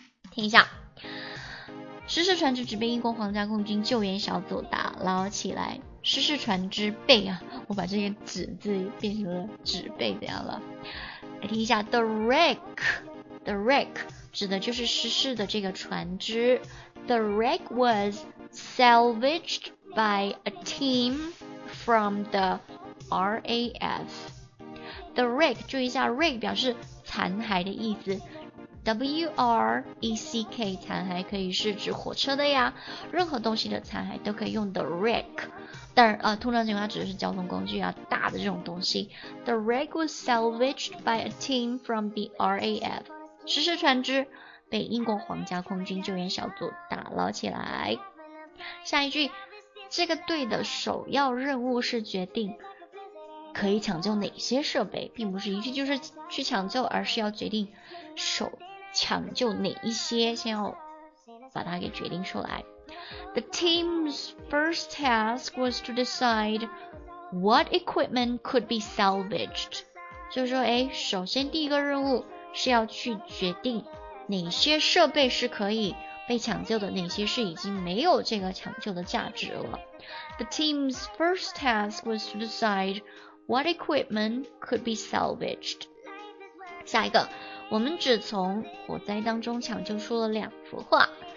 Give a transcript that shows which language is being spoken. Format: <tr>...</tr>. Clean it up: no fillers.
<zh>听一下，失事船只直奔英国皇家空军救援小组的，捞起来，失事船只被啊，我把这个纸字变成了纸被怎样了，来听一下 The Wreck。 The Wreck 指的就是失事的这个船只。</zh> <en>The Wreck wasSalvaged by a team from the RAF.</en> <zh>The wreck, 注意一下 wreck 表示残骸的意思， W-R-E-C-K 残骸可以是指火车的呀，任何东西的残骸都可以用 the wreck， 但通常情况下指的是交通工具啊，大的这种东西。</zh> <en>The wreck was salvaged by a team from the RAF.</en> <zh>失事船只被英国皇家空军救援小组打捞起来。下一句，这个队的首要任务是决定可以抢救哪些设备，并不是一句就是去抢救，而是要决定首抢救哪一些，先要把它给决定出来。 The team's first task was to decide what equipment could be salvaged，就是说首先第一个任务是要去决定哪些设备是可以被抢救的，哪些是已经没有这个抢救的价值了。</zh> <en>The team's first task was to decide what equipment could be salvaged.</en> <zh>下一个，我们只从火灾当中抢救出了两幅画。</zh>